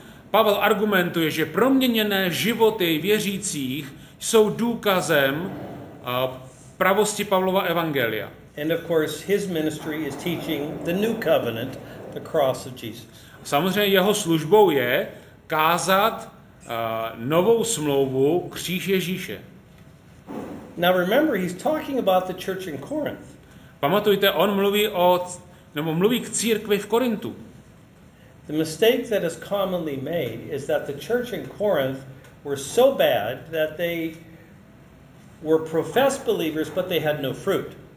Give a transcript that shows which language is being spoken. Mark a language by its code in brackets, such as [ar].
[cs] Pavel argumentuje, že proměněné životy věřících jsou důkazem pravosti Pavlova evangelia. [en] And of course his ministry is teaching the new covenant, the cross of Jesus. [cs] Samozřejmě jeho službou je kázat novou smlouvu, kříž Ježíše. [en] Now remember, he's talking about the church in Corinth. [cs] Pamatujte, on mluví mluví k církvi v Korintu. [en] The mistake that is commonly made is that the church in Corinth were so bad that they were professed believers, but they had no fruit.